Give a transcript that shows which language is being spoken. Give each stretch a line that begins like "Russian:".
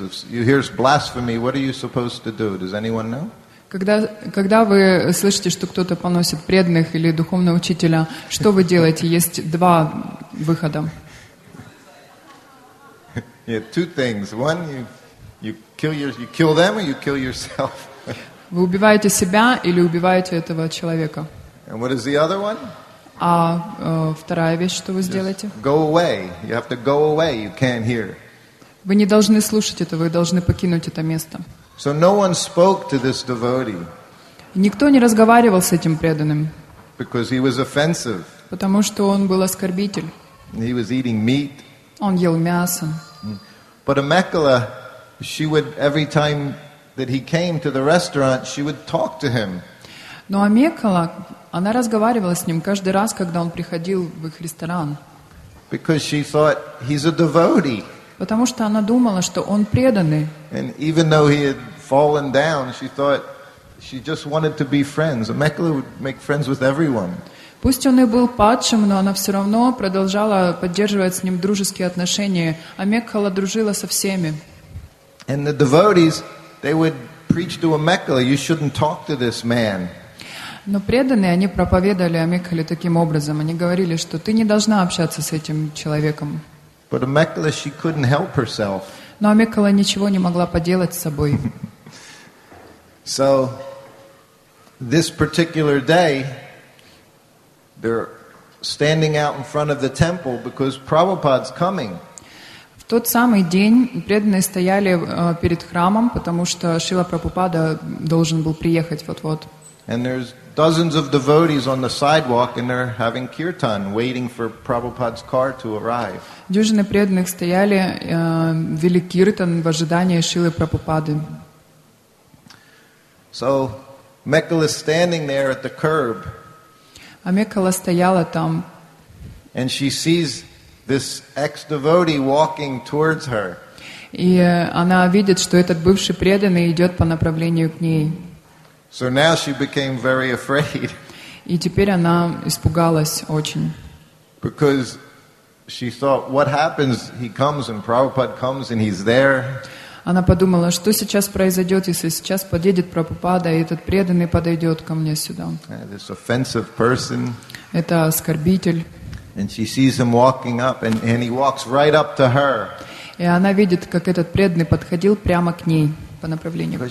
English: If you hear blasphemy, what are you supposed to do? Does anyone know?
Russian: Когда вы слышите, что кто-то поносит преданных или духовного учителя, что вы делаете? Есть два выхода.
English: Yeah, two things. One, you kill them or you kill yourself.
Russian: Вы убиваете себя или убиваете этого человека.
English: And what is the other one?
Russian: А вторая вещь, что вы сделаете?
English: Go away. You have to go away. You can't hear.
Russian: Вы не должны слушать это, вы должны покинуть это место.
English: So no one spoke to this devotee.
Russian: Никто не разговаривал с этим преданным.
English: Because he was offensive.
Russian: Потому что он был оскорбитель.
English: He was eating meat.
Russian: Он ел мясо.
English: But Amakala, she would every time that he came to the restaurant, she would talk to him.
Russian: Но Амекала, она разговаривала с ним каждый раз, когда он приходил в их ресторан.
English: Because she thought he's a devotee.
Russian: Потому что она думала, что он преданный.
English: And even though he had fallen down, she thought she just wanted to be friends. Amakala would make friends with everyone.
Russian: Пусть он и был падшим, но она все равно продолжала поддерживать с ним дружеские отношения. Амекхала дружила со всеми.
English: And the devotees, they would preach to Amakala, you shouldn't talk to this man.
Russian: Но преданные, они проповедовали Амекхале таким образом. Они говорили, что ты не должна общаться с этим человеком.
English: But Amakala, she couldn't help herself.
Russian: Но Амекхала ничего не могла поделать с собой.
English: So, this particular day, they're standing out in front of the temple because Prabhupada's coming.
Russian: В тот самый день преданные стояли перед храмом, потому что Шрила Прабхупада должен был приехать вот-вот.
English: And there's dozens of devotees on the sidewalk and they're having kirtan, waiting for Prabhupada's car to arrive.
Russian: Дюжины преданных стояли, вели киртан в ожидании Шрилы Прабхупады.
English: So, Mekhala is standing there at the curb.
Russian: Амекхала стояла там.
English: And she sees this ex-devotee walking towards her.
Russian: И она видит, что этот бывший преданный идет по направлению к ней.
English: So now she became very afraid.
Russian: И теперь она испугалась очень.
English: Because she thought, what happens? He comes and Prabhupada comes and he's there.
Russian: Она подумала, что сейчас произойдет, если сейчас подъедет Прабхупада, и этот преданный подойдет ко мне сюда.
English: This offensive person.
Russian: Это оскорбитель.
English: And she sees him walking up, and he walks right up to her.
Russian: И она видит, как этот преданный подходил прямо к ней, по направлению к ней.